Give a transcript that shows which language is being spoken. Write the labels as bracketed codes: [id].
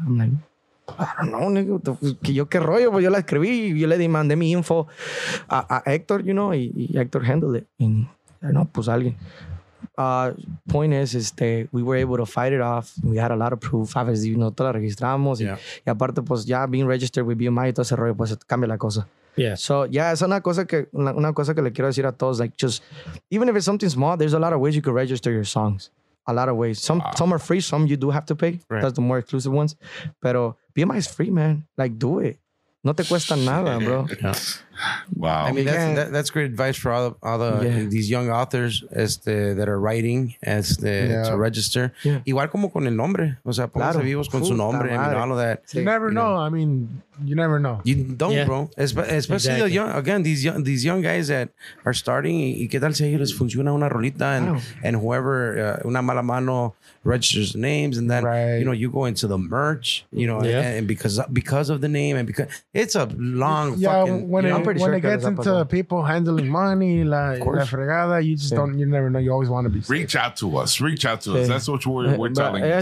[es] I'm like, I don't know, nigga. Que yo qué rollo, pues yo la escribí, yo le mandé mi info a Héctor, you know, y Héctor handled it. Y no, pues alguien. [en] Point is, we were able to fight it off. We had a lot of proof. [es] A veces, nosotros la registramos. Yeah. Y aparte, pues ya being registered with BMI y todo ese rollo, pues cambia la cosa. [en] Yeah. [es] So, yeah, es una cosa que le quiero decir a todos. [en] Like, just, even if it's something small, there's a lot of ways you can register your songs. A lot of ways. Some are free. Some you do have to pay. Right. That's the more exclusive ones. Pero BMI is free, man. Like, do it. [es] No te cuesta nada, bro. [en] Yeah. Wow. I mean, that's great advice for all these young authors that are writing to register. Yeah. [es] Igual como con el nombre. O sea, pónganse claro. vivos con su nombre. I mean, all of that. [en] You never know. I mean, you never know. You don't, bro. Especially exactly. these young guys that are starting. [es] ¿Y qué tal si a ellos les funciona una rolita? [en] And whoever, una mala mano, registers the names. And then, right. you know, you go into the merch, you know, and because of the name. And because it's a long when it gets into people handling money, la fregada, you just don't, you never know. You always want to be safe. Reach out to us. That's what we're telling you.